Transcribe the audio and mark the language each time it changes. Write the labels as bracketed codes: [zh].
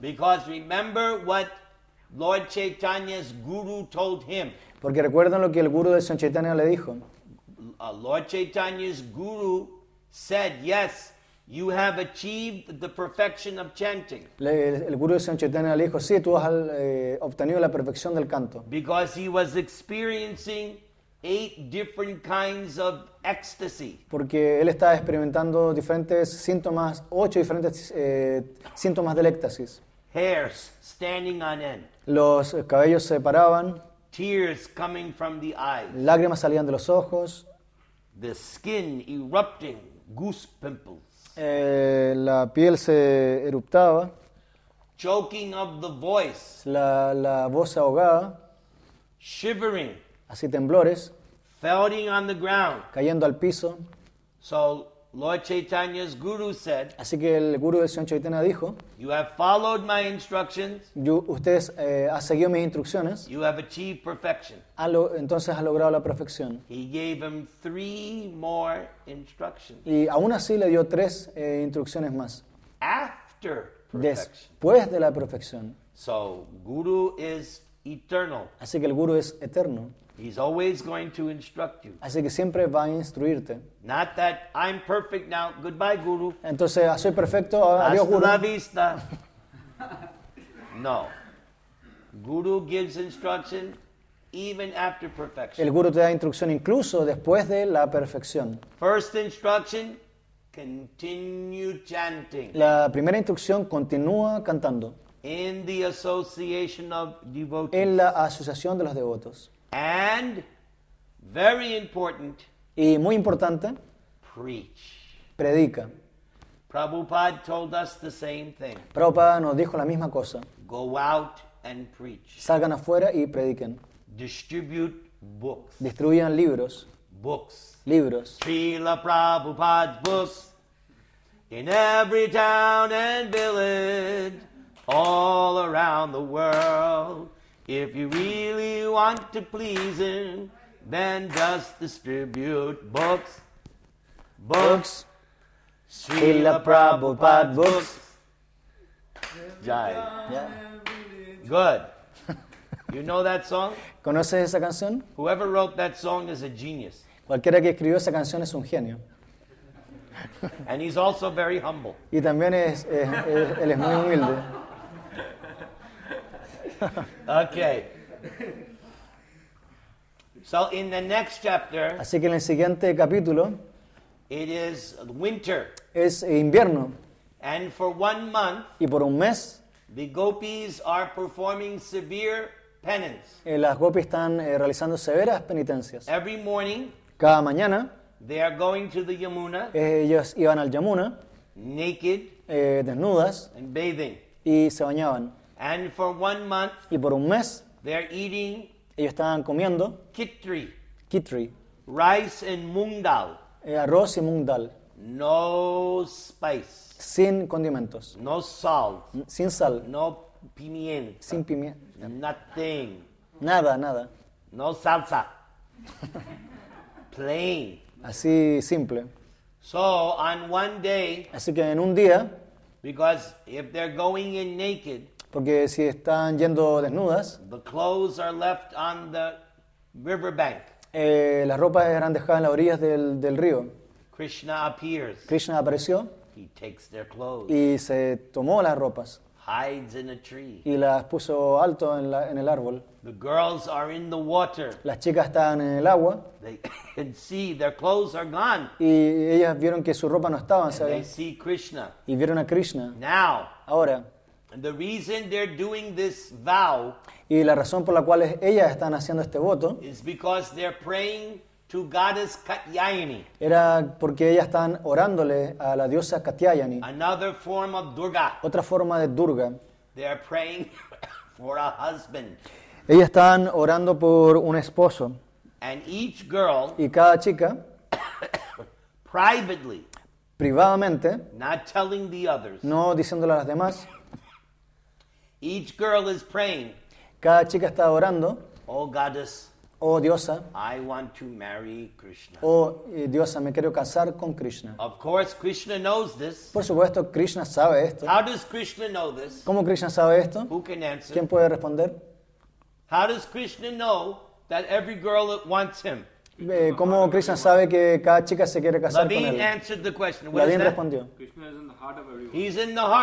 [en] Because remember what Lord Chaitanya's guru told him. [es] Porque recuerdan lo que el guru de San Chaitanya le dijo. [en] Lord Chaitanya's guru said, yes, you have achieved the perfection of chanting. [es] El guru de San Chaitanya le dijo, sí, tú has obtenido la perfección del canto. [en] Because he was experiencing 8 different kinds of ecstasy. [es] Porque él estaba experimentando diferentes síntomas, 8 diferentes síntomas del éxtasis. [en] Hairs standing on end. [es] Los cabellos se paraban. [en] Tears coming from the eyes. [es] Lágrimas salían de los ojos. [en] The skin erupting, goose pimples. [es] La piel se eruptaba. [en] Choking of the voice. [es] La voz se ahogaba. [en] Shivering. [es] Así temblores. [en] Falling on the ground. [es] Cayendo al piso. [en] So Lord Chaitanya's guru said. [es] Así que el guru de Sion Chaitanya dijo. [en] You have followed my instructions. [es] Ustedes han seguido mis instrucciones. [en] You have achieved perfection. [es] Entonces ha logrado la perfección. [en] He gave him 3 more instructions. [es] Y aún así le dio 3 instrucciones más. [en] After perfection. [es] Después de la perfección. [en] So guru is eternal. [es] Así que el guru es eterno. [en] He's always going to instruct you. [es] Así que siempre va a instruirte. [en] Not that I'm perfect now. Goodbye, guru. [es] Entonces, soy perfecto. Adiós, hasta guru. Hasta la vista. No. [en] Guru gives instruction even after perfection. [es] El guru te da instrucción incluso después de la perfección. [en] First instruction, continue chanting. [es] La primera instrucción, continúa cantando. [en] In the association of devotees. [es] En la asociación de los devotos. [en] And very important. [es] Y muy importante. [en] Preach. [es] Predica. [en] Prabhupada told us the same thing. [es] Prabhupada nos dijo la misma cosa. [en] Go out and preach. [es] Salgan afuera y prediquen. [en] Distribute books. [es] Distribuyan libros. [en] Books. [es] Libros. [en] Srila Prabhupada's books. In every town and village. All around the world. If you really want to please him, then just distribute books. Books. Srila Prabhupada books. Jai. Yeah. Good. You know that song? [es] ¿Conoces esa canción? [en] Whoever wrote that song is a genius. [es] Cualquiera que escribió esa canción es un genio. [en] And he's also very humble. [es] Y también es él es muy humilde. [en] Okay. So in the next chapter, [es] así que en el siguiente capítulo, [en] it is winter. [es] Es invierno. [en] And for 1 month, [es] y por un mes, [en] the gopis are performing severe penance. [es] Las gopis están realizando severas penitencias. [en] Every morning, [es] cada mañana, [en] they are going to the Yamuna. [es] Ellos iban al Yamuna, [en] naked, [es] desnudas, [en] and bathing, [es] y se bañaban. [en] And for 1 month, [es] y por un mes, [en] they are eating. [es] Ellos estaban comiendo [en] khichdi, rice and mung dal, [es] arroz y mung dal, [en] no spice, [es] sin condimentos, [en] no salt, [es] sin sal, no pimienta, sin pimienta, [en] nothing, [es] nada, nada, [en] no salsa, plain, [es] así simple. [en] So on one day, [es] así que en un día, [en] because if they're going in naked, [es] porque si están yendo desnudas, [en] the clothes are left on the river bank. [es] Las ropas eran dejadas en las orillas del río. [en] Krishna appears. [es] Krishna apareció. [en] He takes their clothes. [es] Y se tomó las ropas. [en] Hides in a tree. [es] Y las puso alto en el árbol. [en] The girls are in the water. [es] Las chicas estaban en el agua. [en] They can see their clothes are gone. [es] Y ellas vieron que su ropa no estaba. [en] And [es] ¿sabes? [en] They see Krishna. [es] Y vieron a Krishna. [en] Now. [es] Ahora. [en] And the reason they're doing this vow, [es] y la razón por la cual ellas están haciendo este voto, [en] is because they're praying to goddess Katyayani. [es] Era porque ellas están orándole a la diosa Katyayani. [en] Another form of Durga. [es] Otra forma de Durga. [en] They are praying for a husband. [es] Ellas están orando por un esposo. [en] And each girl, [es] y cada chica, [en] privately, [es] privadamente, [en] not telling the others, [es] no diciéndole a las demás. [en] Each girl is praying. [es] Cada chica está orando. [en] Oh goddess. [es] Oh diosa. [en] I want to marry Krishna. [es] Oh diosa, me quiero casar con Krishna. [en] Of course, Krishna knows this. [es] Por supuesto, Krishna sabe esto. [en] How does Krishna know this? [es] ¿Cómo Krishna sabe esto? [en] Who can answer? [es] ¿Quién puede responder? [en] How does Krishna know that every girl wants him? [es] ¿Cómo Krishna sabe que cada chica se quiere casar Lavin con él? [en] Lavin answered the question. What [es] Lavin respondió. [en] Krishna is in the heart of everyone.